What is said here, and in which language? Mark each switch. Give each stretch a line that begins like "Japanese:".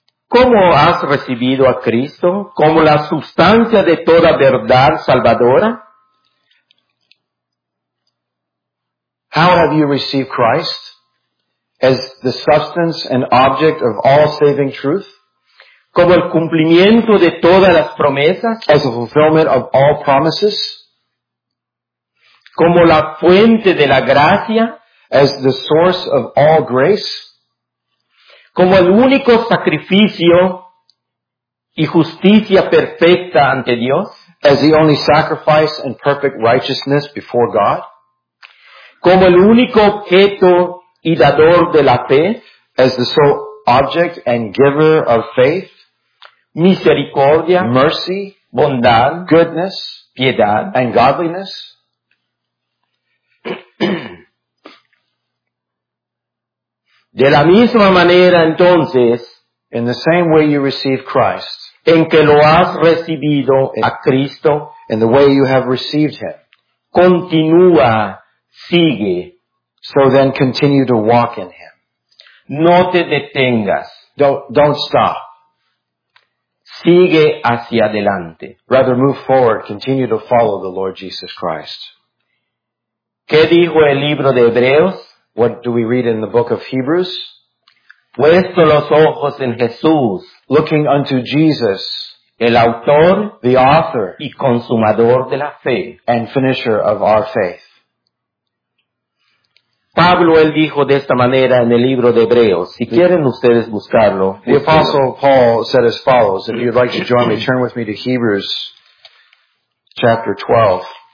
Spanish: ¿Cómo has recibido a Cristo como la sustancia de toda verdad salvadora?
English: How have you received Christ as the substance and object of all saving truth?
Spanish: Como el cumplimiento de todas las promesas.
English: As the fulfillment of all promises.
Spanish: Como la fuente de la gracia.
English: As the source of all grace.
Spanish: Como el único sacrificio y justicia perfecta ante Dios.
English: As the only sacrifice and perfect righteousness before God.
Spanish: Como el único objeto y dador de la fe.
English: As the sole object and giver of faith.
Spanish: Misericordia,
English: mercy,
Spanish: bondad,
English: goodness,
Spanish: piedad,
English: and godliness.
Spanish: De la misma manera, entonces,
English: in the same way you receive Christ,
Spanish: en que lo has recibido a Cristo,
English: in the way you have received him,
Spanish: continúa, sigue.
English: So then continue to walk in him.
Spanish: No te detengas.
English: Don't stop.
Spanish: Sigue hacia adelante.
English: Rather move forward, continue to follow the Lord Jesus Christ.
Spanish: ¿Qué dijo el libro de Hebreos?
English: What do we read in the book of Hebrews?
Spanish: Puesto los ojos en Jesús.
English: Looking unto Jesus.
Spanish: El autor.
English: The author.
Spanish: Y consumador de la fe.
English: And finisher of our faith.
Spanish: Pablo, él dijo de esta manera en el libro de Hebreos. Si quieren ustedes buscarlo.
English: The Apostle Paul said as follows. If you'd like to join me, turn with me to Hebrews chapter 12.